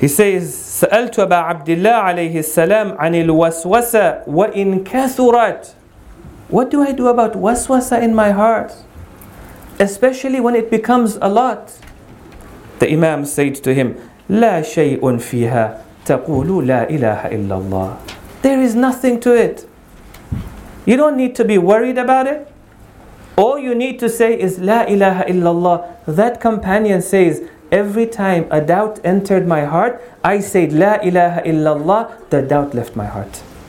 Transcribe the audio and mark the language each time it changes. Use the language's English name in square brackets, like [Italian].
[English] He says, [Arabic] سألت أبا عبد الله عليه السلام عن الوسوسة وإن كثرت. [English] What do I do about waswasa in my heart? Especially when it becomes a lot. The Imam said to him, [Arabic] لا شيء فيها تقول لا إله إلا الله. [English] There is nothing to it. You don't need to be worried about it. All you need to say is La ilaha illallah. That companion says, every time a doubt entered my heart, I said La ilaha illallah, the doubt left my heart.